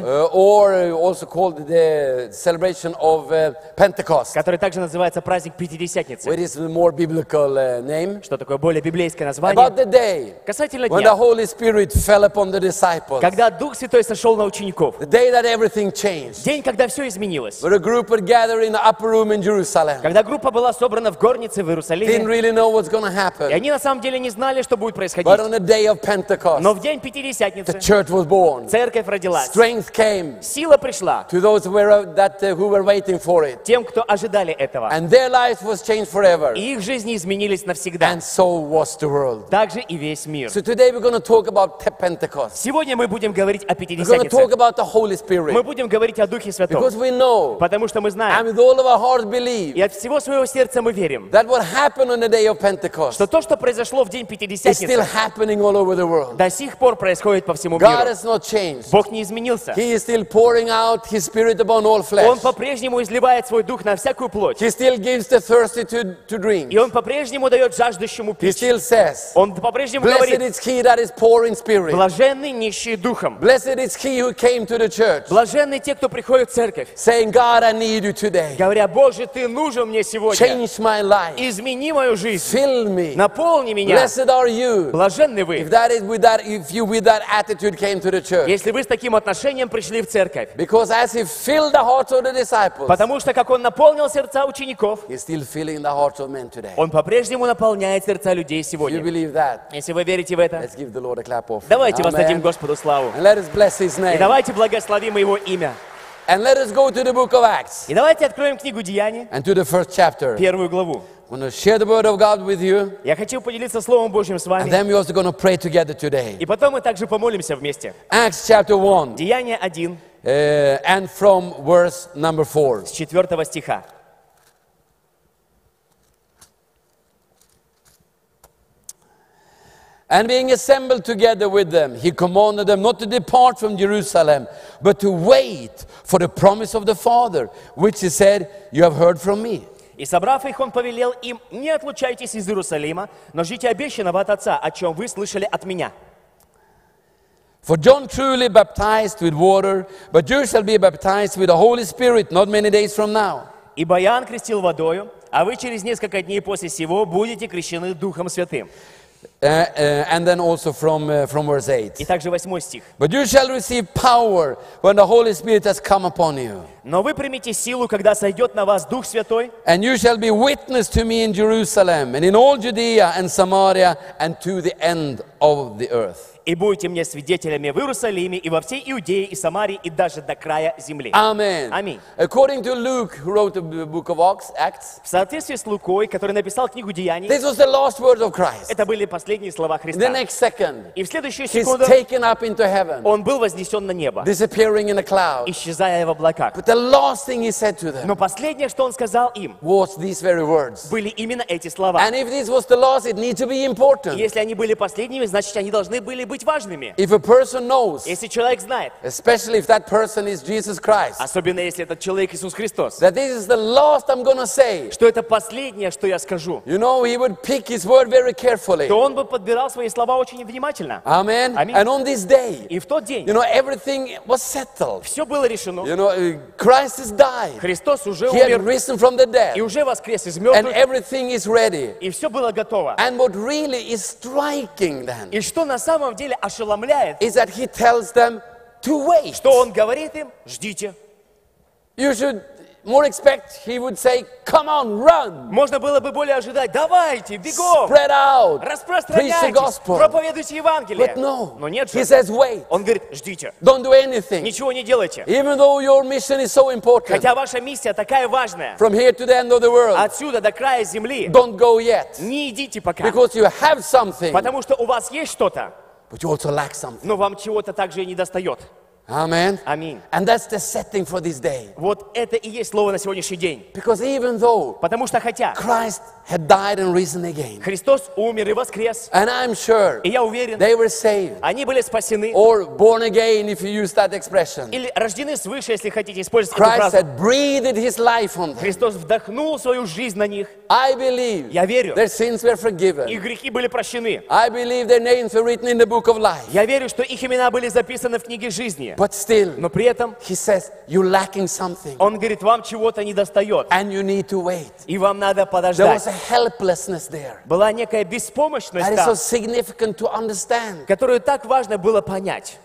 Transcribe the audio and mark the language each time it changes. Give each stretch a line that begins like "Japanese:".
English: Or also called the celebration of Pentecost.
Russian: Который также называется праздник Пятидесятницы.
English: Which is more biblical name?
Russian: Что такое более библейское название?
English: About the day.
Russian: Касательно дня.
English: When the Holy Spirit fell upon the disciples.
Russian: Когда Дух Святой сошел на учеников.
English: The day that everything changed.
Russian: День, когда все изменилось.
English: When a group were gathered in the upper room in Jerusalem.
Russian: Когда группа была собрана в горнице в Иерусалиме.
English: Didn't really know what's going to happen.
Russian: И они на самом деле не знали, что будет происходить.
English: But on the day of Pentecost.
Russian: Но в день Пятидесятницы.
English: Church was born.
Russian: Церковь родилась.
English: Strength came.
Russian: Сила пришла.
English: To those who were waiting for it.
Russian: Тем, кто ожидали этого.
English: And their life was changed forever.
Russian: И их жизни изменились навсегда.
English: And so was the world.
Russian: Также и весь мир.
English: So today we're going to talk about Pentecost.
Russian: Сегодня мы будем говорить о Пятидесятнице.
English: We're going to talk about the Holy Spirit.
Russian: Мы будем говорить о Духе Святом.
English: Because we know.
Russian: Потому что мы знаем.
English: And with all of our heart believe.
Russian: И от всего своего сердца мы верим.
English: That what happened on the day of Pentecost.
Russian: Что то, что произошло в день Пятидесятницы.
English: Is still happening all over the world.
Russian: До сих пор происходит по всему.
English: God has not changed.
Russian: Бог не изменился.
English: He is still pouring out His Spirit upon all flesh.
Russian: Он по-прежнему изливает свой дух на всякую плоть.
English: He still gives the thirsty to drink.
Russian: И он по-прежнему дает жаждущему пить.
English: He still says.
Russian: Он по-прежнему
English: Blessed
Russian: говорит.
English: Blessed is he that is poor in spirit.
Russian: Блаженный нищий духом.
English: Blessed is he who came to the church.
Russian: Блаженны те, кто приходит в церковь.
English: Saying, God, I need you today.
Russian: Говоря, Боже, ты нужен мне сегодня.
English: Change my life.
Russian: Измени мою жизнь.
English: Fill me.
Russian: Наполни меня.
English: Blessed are you.
Russian: Блаженны вы.
English: If that is with that, if you with that attitude. Came to the church.
Russian: Если вы с таким отношением пришли в церковь,
English: because as he filled the hearts of the disciples,
Russian: потому что как он наполнил сердца учеников,
English: he's still filling the hearts of men today.
Russian: Он по-прежнему наполняет сердца людей сегодня.
English: You believe that?
Russian: Если вы верите в это,
English: let's give the Lord a clap offering.
Russian: Давайте воздадим Господу славу.
English: And let us bless His name.
Russian: И давайте благословим Его имя.
English: And let us go to the book of Acts.
Russian: И давайте откроем книгу Деяний.
English: And to the first chapter.
Russian: Первую главу.
English: I want to share the word of God with you.
Russian: Я хочу поделиться словом Божьим с вами.
English: And then we also going to pray together today.
Russian: И потом мы также помолимся вместе.
English: Acts chapter 1.
Russian: Деяния 1.
English: And from verse number 4.
Russian: С 4 стиха.
English: And being assembled together with them, he commanded them not to depart from Jerusalem, but to wait for the promise of the Father, which he said, you have heard from me.
Russian: И собрав их, он повелел им, не отлучайтесь из Иерусалима, но ждите обещанного от Отца, о чем вы слышали от меня.
English: For John truly baptized with water, but you shall be baptized with the Holy Spirit not many days from now.
Russian: Ибо Иоанн крестил водою, а вы через несколько дней после сего будете крещены Духом Святым.
English: And then also from verse 8.
Russian: И также 8 стих.
English: But you shall receive power when the Holy Spirit has come upon you.
Russian: Но вы примите силу, когда сойдет на вас Дух Святой.
English: And you shall be witness to me in Jerusalem and in all Judea and Samaria and to the end of the earth.
Russian: И будете мне свидетелями в Иерусалиме и во всей Иудее и Самарии и даже до края земли. Аминь. Аминь.
English: According to Luke, who wrote the book of Acts,
Russian: в соответствии с Лукой, который написал книгу Деяний,
English: this was the last words of Christ.
Russian: Это были последние слова Христа.
English: In the next second,
Russian: и в следующую секунду,
English: he's taken up into heaven,
Russian: он был вознесен на небо,
English: disappearing in a cloud,
Russian: исчезая в облаках.
English: But the last thing he said to them,
Russian: но последнее, что он сказал им,
English: was these very words.
Russian: Были именно эти слова.
English: And if this was the last, it needs to be important.
Russian: Если они были последними, значит, они должны были быть важными.
English: If a person knows,
Russian: если человек знает,
English: especially if that person is Jesus Christ,
Russian: особенно если этот человек Иисус Христос,
English: that this is the last I'm gonna say,
Russian: что это последнее, что я скажу,
English: you know, he would pick his word very carefully,
Russian: то он бы подбирал свои слова очень внимательно.
English: Amen. Аминь. And on this day,
Russian: и в тот день,
English: you know, everything was settled.
Russian: Все было решено.
English: You know, Christ has died.
Russian: Христос уже
English: He
Russian: умер.
English: Had risen from the dead.
Russian: И уже воскрес из мертвых.
English: And everything is ready.
Russian: И все было готово.
English: And what really is striking then,
Russian: и что на самом деле ошеломляет,
English: is that he tells them to wait.
Russian: Что он говорит им, ждите.
English: You should more expect he would say, come on, run.
Russian: Можно было бы более ожидать, давайте, бегом.
English: Spread out.
Russian: Распространяйтесь.
English: Preach the gospel.
Russian: Проповедуйте Евангелие.
English: But no.
Russian: Но нет же.
English: He says, wait.
Russian: Он говорит, ждите.
English: Don't do anything.
Russian: Ничего не делайте.
English: Even though your mission is so important.
Russian: Хотя ваша миссия такая важная.
English: From here to the end of the world.
Russian: Отсюда до края земли.
English: Don't go yet.
Russian: Не идите пока.
English: Because you have something.
Russian: Потому что у вас есть что-то.
English: But you also lack something.
Russian: Но вам чего-то также и не достает.
English: Amen. Amen. And that's the setting for this day.
Russian: Вот это и есть слово на сегодняшний день.
English: Because even though,
Russian: потому что хотя,
English: Christ had died and risen again.
Russian: Христос умер и воскрес.
English: And I'm sure.
Russian: И я уверен.
English: They were saved.
Russian: Они были спасены.
English: Or born again, if you use that expression.
Russian: Или рождены свыше, если хотите использовать
English: Christ
Russian: эту фразу.
English: Christ had breathed His life on them.
Russian: Христос вдохнул свою жизнь на них.
English: I believe.
Russian: Я верю.
English: Their sins were forgiven.
Russian: Их грехи были прощены.
English: I believe their names were written in the book of life.
Russian: Я верю, что их имена были записаны в книге жизни.
English: But still,
Russian: но при этом,
English: he says, you're lacking something.
Russian: Он говорит, вам чего-то недостает.
English: And you need to wait.
Russian: И вам надо подождать.
English: There was a helplessness there.
Russian: Была некая беспомощность
English: that
Russian: там,
English: is so significant to understand.
Russian: Которую так важно было понять.